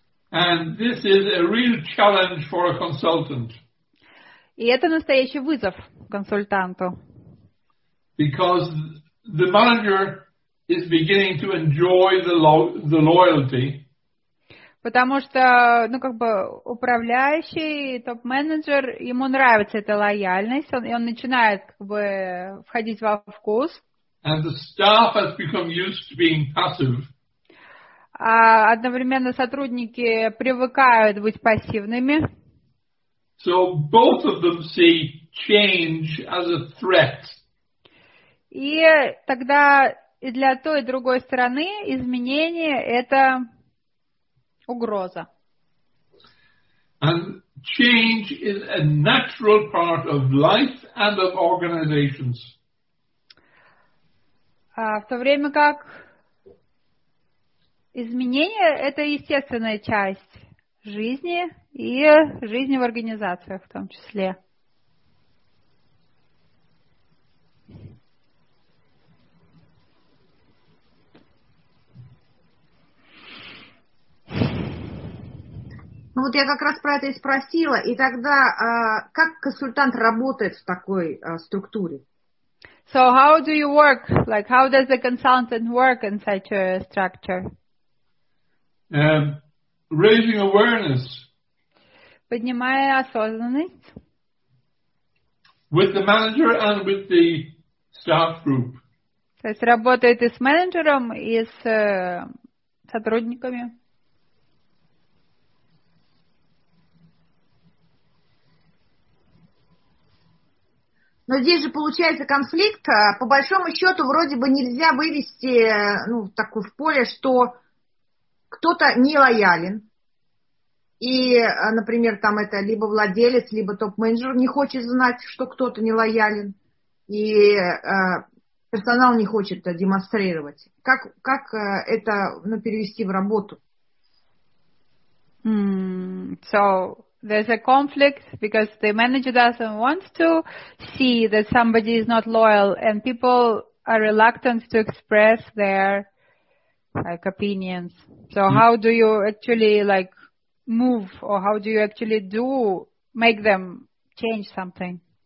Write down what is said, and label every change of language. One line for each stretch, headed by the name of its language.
English: And this is a real challenge for a consultant.
Russian: И это настоящий вызов консультанту.
English: Because the manager is beginning to enjoy the loyalty.
Russian: Потому что, ну, как бы, управляющий, топ-менеджер, ему нравится эта лояльность, он, и он начинает, как бы, входить во вкус.
English: And the staff has become used to being passive.
Russian: А одновременно сотрудники привыкают быть пассивными.
English: So both of them see change as a threat.
Russian: И тогда и для той, и другой стороны изменения – это угроза.
English: And change is a natural part of life and of organizations.
Russian: В то время как изменения – это естественная часть жизни и жизни в организациях в том числе. Ну вот я как раз про это и спросила. И тогда, как консультант работает в такой структуре?
English: So how do you work? Like how does the consultant work in such a structure? Raising awareness.
Russian: Поднимая осознанность.
English: With the manager and with the staff group.
Russian: То есть работает и с менеджером, и с сотрудниками. Но здесь же получается конфликт, по большому счету вроде бы нельзя вывести, ну, такой в поле, что кто-то не лоялен, и, например, там это либо владелец, либо топ-менеджер не хочет знать, что кто-то не лоялен, и персонал не хочет демонстрировать. Как это, ну, перевести в работу?
English: So... There's a conflict because the manager doesn't want to see that somebody is not loyal and people are reluctant to express their like opinions. So how do you actually like move or how do you actually do make them change something?